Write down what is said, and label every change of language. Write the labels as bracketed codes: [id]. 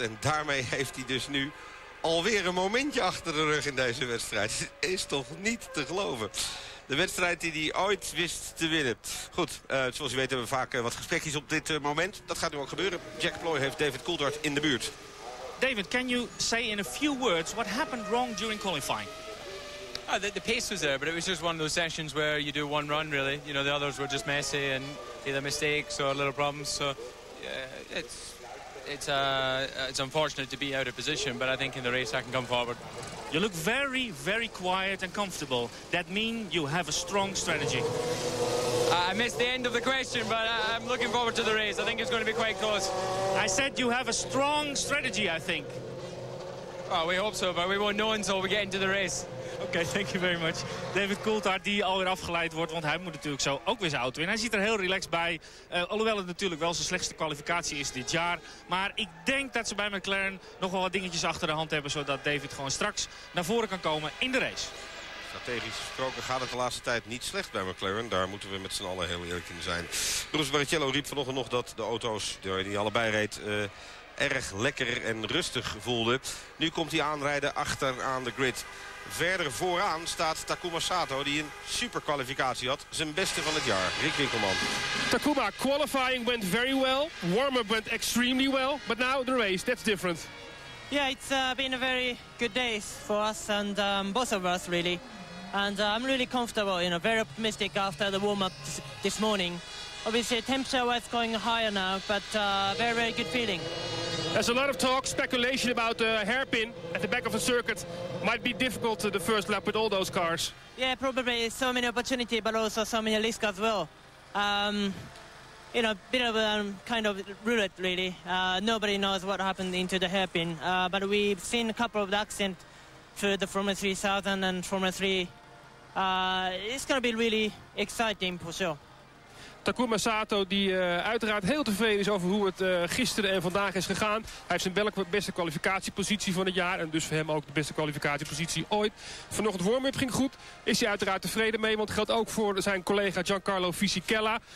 [nl] En daarmee heeft hij dus nu alweer een momentje achter de rug in deze wedstrijd. Is toch niet te geloven. De wedstrijd die hij ooit wist te winnen. Goed, zoals u weet hebben we vaak wat gesprekjes op dit moment. Dat gaat nu ook gebeuren. Jack Ploy heeft David Coulthard in de buurt. [en] David, can you say in a few words what happened wrong during qualifying? The pace was there, but it was just one of those sessions where you do one run really. You know, the others were just messy and either mistakes or little problems. So it's unfortunate to be out of position, but I think in the race I can come forward. You look very, very quiet and comfortable. That means you have a strong strategy. I missed the end of the question, but I'm looking forward to the race. I think it's going to be quite close. I said you have a strong strategy, I think. Oh, we hope so, but we won't know until we get into the race. Okay, thank you very much. [nl] David Coulthard, die alweer afgeleid wordt, want hij moet natuurlijk zo ook weer zijn auto in. Hij zit er heel relaxed bij, alhoewel het natuurlijk wel zijn slechtste kwalificatie is dit jaar. Maar ik denk dat ze bij McLaren nog wel wat dingetjes achter de hand hebben, zodat David gewoon straks naar voren kan komen in de race. Strategisch gesproken gaat het de laatste tijd niet slecht bij McLaren. Daar moeten we met z'n allen heel eerlijk in zijn. Rubens Barrichello riep vanochtend nog dat de auto's die allebei reed erg lekker en rustig voelde. Nu komt hij aanrijden achter aan de grid. Verder vooraan staat Takuma Sato, die een super kwalificatie had. Zijn beste van het jaar, Rick Winkelman. [en] Takuma, qualifying went very well. Warm-up went extremely well. But now the race, that's different. Yeah, it's been a very good day for us and both of us, really. And I'm really comfortable, you know, very optimistic after the warm-up this morning. Obviously, temperature was going higher now, but very, very good feeling. There's a lot of talk, speculation about the hairpin at the back of the circuit. Might be difficult to the first lap with all those cars. Yeah, probably so many opportunities, but also so many risks as well. You know, bit of a kind of roulette, really. Nobody knows what happened into the hairpin, but we've seen a couple of the accidents through the Formula 3000 and Formula 3. It's going to be really exciting for sure. [nl] Takuma Sato, die uiteraard heel tevreden is over hoe het gisteren en vandaag is gegaan. Hij heeft zijn beste kwalificatiepositie van het jaar. En dus voor hem ook de beste kwalificatiepositie ooit. Vanochtend warm-up ging goed. Is hij uiteraard tevreden mee. Want geldt ook voor zijn collega Giancarlo Fisichella.